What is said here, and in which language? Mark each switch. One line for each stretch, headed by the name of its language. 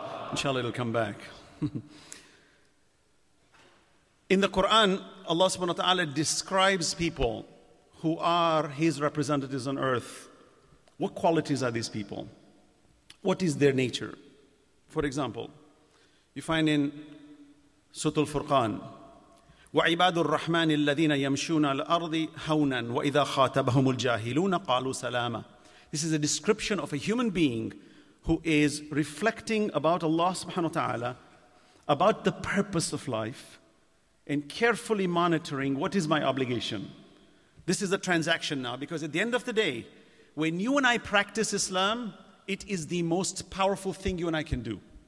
English: Inshallah it'll come back. In the Quran, Allah subhanahu wa ta'ala describes people who are His representatives on earth. What qualities are these people? What is their nature? For example, you find in Surah Al-Furqan,
Arabic: وَعِبَادُ الرَّحْمَنِ الَّذِينَ يَمْشُونَ الْأَرْضِ هَوْنًا وَإِذَا خَاتَبَهُمُ الْجَاهِلُونَ قَالُوا سَلَامًا.
English: This is a description of a human being who is reflecting about Allah subhanahu wa ta'ala, about the purpose of life, and carefully monitoring what is my obligation. This is a transaction now, because at the end of the day, when you and I practice Islam, it is the most powerful thing you and I can do.